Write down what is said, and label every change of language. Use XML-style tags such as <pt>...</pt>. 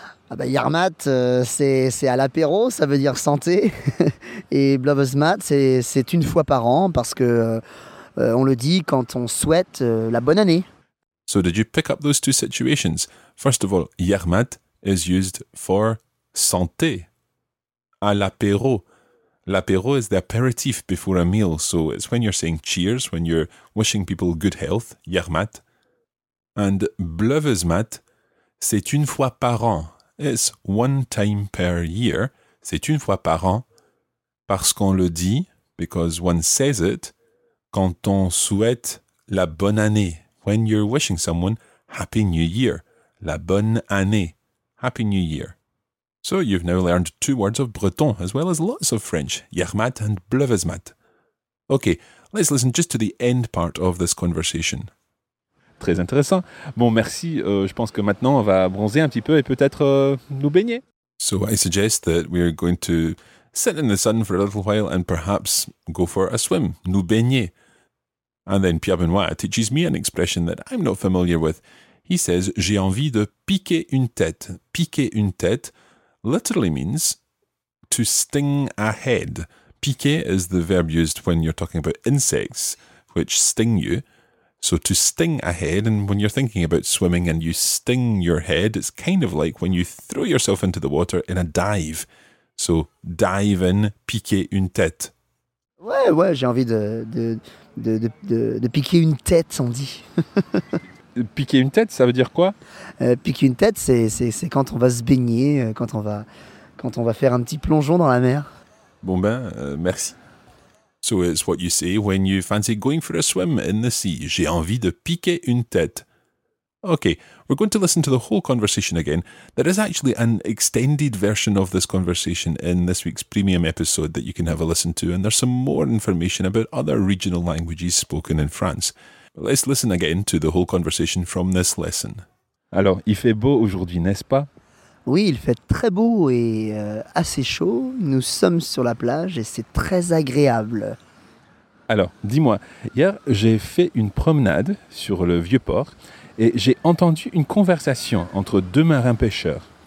<fr>Ah bah, Yarmat, c'est à l'apéro, ça veut dire santé. Et Blovesmat, c'est une fois par an parce que on le dit quand on souhaite la bonne année.</fr> <en>So did you pick up those two situations? First of all, Yarmat is used for santé.</en> <fr>À l'apéro.</fr> <en>L'apéro is the aperitif before a meal. So it's when you're saying cheers, when you're wishing people good health, Yarmat.</en> <fr>And Blovesmat, c'est une fois par an.</fr> <en>It's one time per year.</en> <fr>C'est une fois par an parce qu'on le dit,</fr> <en>because one says it,</en> <fr>quand on souhaite la bonne année.</fr> <en>When you're wishing someone Happy New Year.</en> <fr>La bonne année.</fr> <en>Happy New Year. So you've now learned two words of Breton as well as lots of French, Yarmat and Blovesmat. Okay, let's listen just to the end part of this conversation.</en> <fr>Très intéressant. Bon, merci. Je pense que maintenant on va bronzer un petit peu et peut-être nous baigner.</fr> <en>So I suggest that we're going to sit in the sun for a little while and perhaps go for a swim,</en> <fr>nous baigner.</fr> <en>And then Pierre Benoit teaches me an expression that I'm not familiar with. He says,</en> <fr>j'ai envie de piquer une tête.</fr> <en>Piquer une tête literally means to sting a head. Piquer is the verb used when you're talking about insects, which sting you. So to sting a head, and when you're thinking about swimming and you sting your head, it's kind of like when you throw yourself into the water in a dive. So dive in, piquer une tête.</en> <fr>Ouais, ouais, j'ai envie de piquer une tête, on dit. Piquer une tête, ça veut dire quoi? Piquer une tête, c'est quand on va se baigner, quand on va faire un petit plongeon dans la mer. Bon ben, merci.</fr> <en>So it's what you say when you fancy going for a swim in the sea.</en> <fr>J'ai envie de piquer une tête.</fr> <en>Okay, we're going to listen to the whole conversation again. There is actually an extended version of this conversation in this week's premium episode that you can have a listen to, and there's some more information about other regional languages spoken in France. But let's listen again to the whole conversation from this lesson.</en> <fr>Alors, il fait beau aujourd'hui, n'est-ce pas? Oui, il fait très beau et assez chaud. Nous sommes sur la plage et c'est très agréable. Alors, dis-moi, hier, j'ai fait une promenade sur le vieux port et j'ai entendu une conversation entre deux marins pêcheurs.</fr>